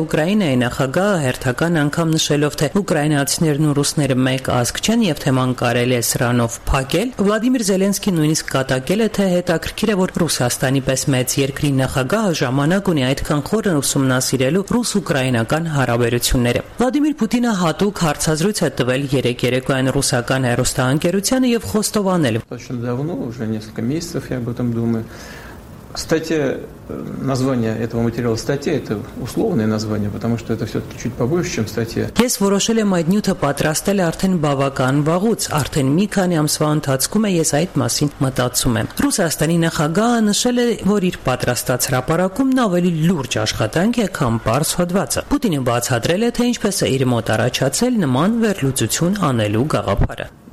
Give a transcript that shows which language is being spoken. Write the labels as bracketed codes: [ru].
[hy] Ուկրաինայի նախագահը հերթական անգամ նշելով, թե ուկրաինացիներն ու ռուսները մեկ ազգ չեն եւ թեման կարելի է սրանով փակել, Վլադիմիր Զելենսկին նույնիսկ կատակել է, թե հետաքրքիր է, որ Ռուսաստանի պես մեծ երկրի նախագահը ժամանակ ունի այդքան խորն ուսումնասիրելու ռուս-ուկրաինական հարաբերությունները։ Վլադիմիր Պուտինը հատուկ հարցազրույց է տվել 3-3-ին ռուսական հեռուստաընկերությանը եւ խոստովանել. [ru] Кстати, название этого материала статьи – это условное название, потому что это все-таки чуть побольше, чем статья. [hy] Ես որոշել եմ այդ նյութը պատրաստել արդեն բավական վաղուց, արդեն մի քանի ամսվա ընթացքում է ես այդ մասին մտածում եմ։ Ռուսաստանի նախագահը նշել է, որ իր պատրաստած հրապարակումն ավելի լուրջ աշխատանք է, քան պարզ հոդվածը։ Պուտինը բացատրել է, թե ինչպես է իր մոտ առաջացել նման վերլուծություն անելու գաղափարը։